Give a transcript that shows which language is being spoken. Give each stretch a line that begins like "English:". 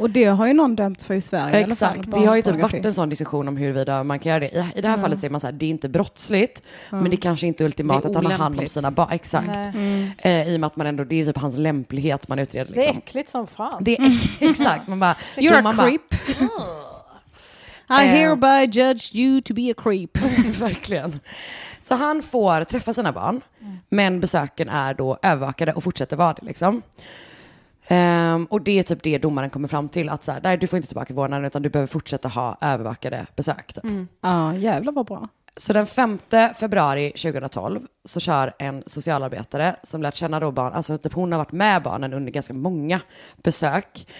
Swedish: Och det har ju någon dömt för i Sverige. Exakt, det har ju typ varit en sån diskussion om huruvida man kan göra det. I det här fallet säger man så här, det är inte brottsligt, men det är kanske inte ultimat att han har hand om sina barn. Exakt. I och med att man ändå, det är typ hans lämplighet man utreder. Liksom. Det är äckligt som fan. Det är exakt. Man bara,
English: you're
Swedish: man
English: a creep. I hereby judge you to be a creep.
Swedish: Verkligen. Så han får träffa sina barn, men besöken är då övervakade och fortsätter vara det liksom. Och det är typ det domaren kommer fram till, att så här, nej, du får inte tillbaka vårdnaden utan du behöver fortsätta ha övervakade besök. Ja, jävlar vad bra. Så den 5 februari 2012 så kör en socialarbetare som lärt känna då barn, alltså typ hon har varit med barnen under ganska många besök.